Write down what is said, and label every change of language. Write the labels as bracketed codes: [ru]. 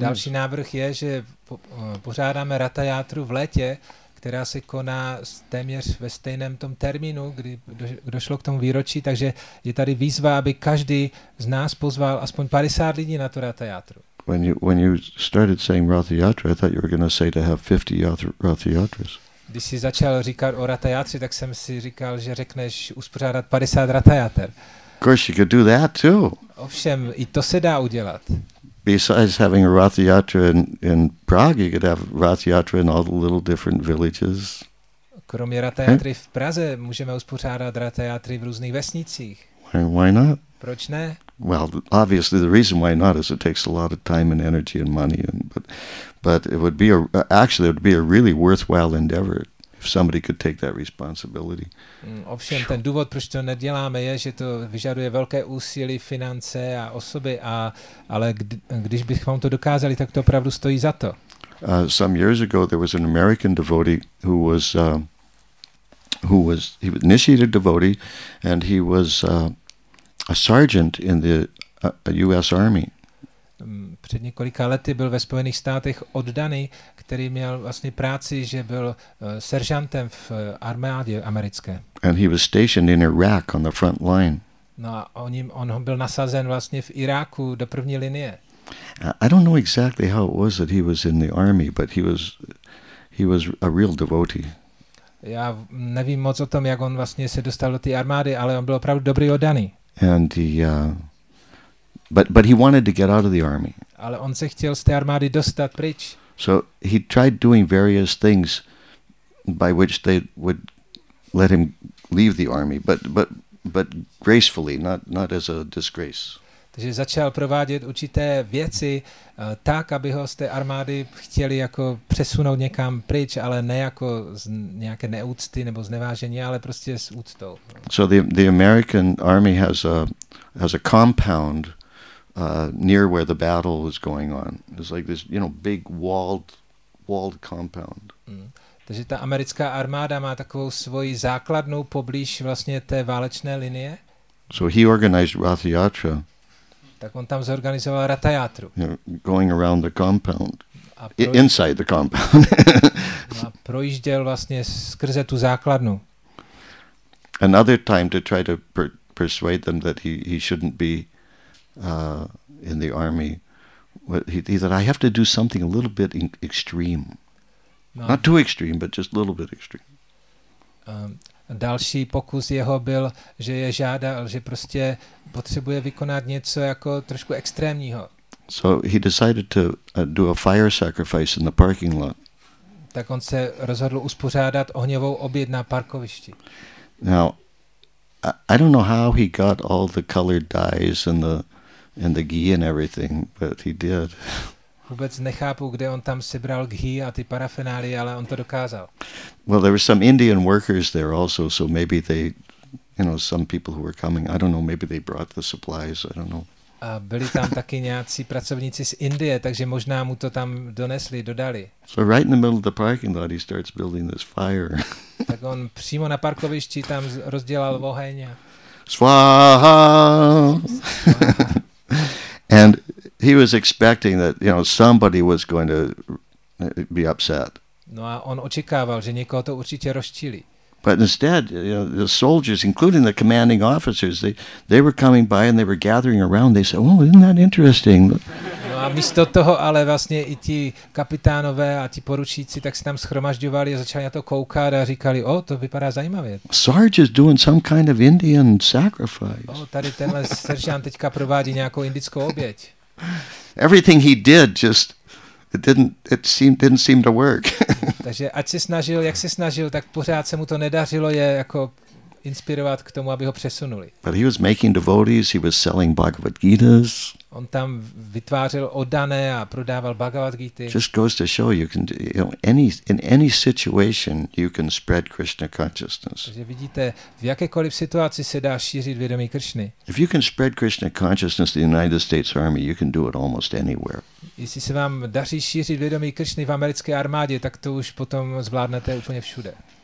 [cs] Další návrh je, že pořádáme ratajátru v létě, která se koná téměř ve stejném tom termínu, kdy došlo k tomu výročí, takže je tady výzva, aby každý z nás pozval aspoň 50 lidí na tu ratajátru. [en] When you started saying ratajátra, I thought you were going to say to have 50 ratajátras. [cs] Když jsi začal říkat o ratajátře, tak jsem si říkal, že řekneš uspořádat 50 ratajátr. [en] Of course you could do that too. [cs] Ovšem, i to se dá udělat. [en] Besides having a ratayatra in Prague, you could have ratayatra in all the little different villages. [cs] Kromě ratayatry v Praze můžeme uspořádat ratayatry v různých vesnicích. [en] Why not? [cs] Proč ne? [en] Well, obviously the reason why not is it takes a lot of time and energy and money, but it would be a really worthwhile endeavor if somebody could take that responsibility. [cs] Ovšem, ten důvod, proč to neděláme, je, že to vyžaduje velké úsilí, finance a osoby, ale když bychom to dokázali, tak to opravdu stojí za to. [en] Some years ago, there was an American devotee who was initiated devotee, and he was a sergeant in the U.S. Army. [cs] Před několika lety byl ve Spojených státech oddaný, který měl vlastně práci, že byl seržantem v armádě americké. [en] And he was stationed in Iraq on the front line. [cs] No a on byl nasazen vlastně v Iráku do první linie. [en] I don't know exactly how it was that he was in the army, but he was a real devotee. [cs] Já nevím moc o tom, jak on vlastně se dostal do té armády, ale on byl opravdu dobrý oddaný. [en] And he But he wanted to get out of the army. [cs] Ale on se chtěl z té armády dostat pryč. [en] So he tried doing various things by which they would let him leave the army, but gracefully, not as a disgrace. [cs] Takže začal provádět určité věci tak, aby ho z té armády chtěli jako přesunout někam pryč, ale ne jako z nějaké neúcty nebo znevážení, ale prostě s úctou. [en] So the American army has a compound near where the battle is going on. It's like this, you know, big walled compound. [cs] Takže ta americká armáda má takovou svoji základnu poblíž vlastně té válečné linie. [en] So he organized ratayatra. [cs] Tak on tam zorganizoval ratajátru. [en] Going around the compound. Inside the compound. [cs] A projížděl vlastně skrze tu základnu. [en] Another time to try to persuade them that he shouldn't be in the army. He said, I have to do something a little bit extreme. No. Not too extreme, but just a little bit extreme. [cs] Další pokus jeho byl, že je žádal, že prostě potřebuje vykonat něco jako trošku extrémního. [en] So he decided to do a fire sacrifice in the parking lot. [cs] Tak on se rozhodl uspořádat ohněvou oběd na parkovišti. [en] Now, I don't know how he got all the colored dyes and the ghee and everything, but he did. [cs] Vůbec nechápu, kde on tam sebral ghee a ty parafinálie, ale on to dokázal. [en] Well, there were some Indian workers there also, so maybe they, you know, some people who were coming, I don't know, maybe they brought the supplies, I don't know. [cs] A byli tam taky nějací pracovníci z Indie, takže možná mu to tam donesli, dodali. [en] So right in the middle of the parking lot, he starts building this fire. [cs] Tak on přímo na parkovišti tam rozdělal oheň. [sa] Svaha! [en] And he was expecting that, you know, somebody was going to be upset. [cs] No a on očekával, že někoho to určitě rozčílí. [en] But instead, you know, the soldiers, including the commanding officers, they were coming by and they were gathering around. They said, "Oh, isn't that interesting?" [cs] No a místo toho, ale vlastně i ti kapitánové a ti poručíci tak se tam shromažďovali a začali na to koukat a říkali, "Oh, to vypadá zajímavě." [en] Sarge is doing some kind of Indian sacrifice. [cs] Oh, tady tenhle seržant teďka provádí nějakou indickou oběť. [en] Everything he did just didn't seem to work. [cs] Takže ať se snažil, jak se snažil, tak pořád se mu to nedařilo je jako inspirovat k tomu, aby ho přesunuli. [en] But he was making devotees, he was selling Bhagavad Gitas. [cs] On tam vytvářel oddané a prodával Bhagavad Gita. [en] Just goes to show you can, you know, in any situation you can spread Krishna consciousness. [cs] Takže vidíte, v jakékoliv situaci se dá šířit vědomí Kršny. [en] If you can spread Krishna consciousness in the United States Army, you can do it almost anywhere. [cs] Jestli se vám daří šířit vědomí Kršny v americké armádě, tak to už potom zvládnete úplně všude.